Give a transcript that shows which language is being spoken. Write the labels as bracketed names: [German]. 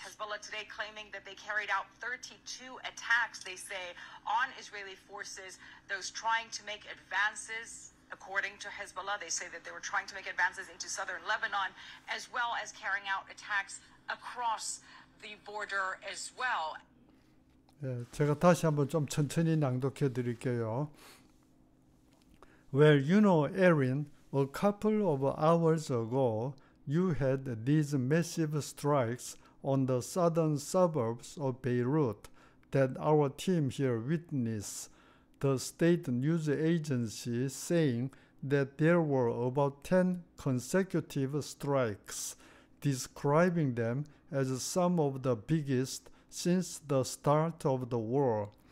[English] Hezbollah today claiming that they carried out 32 attacks, they say, on Israeli forces, those trying to make advances. According to Hezbollah, they say that they were trying to make advances into southern Lebanon, as well as carrying out attacks across the border as well. [Korean] 예, 제가 다시 한번 좀 천천히 낭독해 드릴게요. [English] Well, you know, Erin, a couple of hours ago, you had these massive strikes on the southern suburbs of Beirut that our team here witnessed. The state news agency saying that there were about 10 consecutive strikes, describing them as some of the biggest since the start of the war.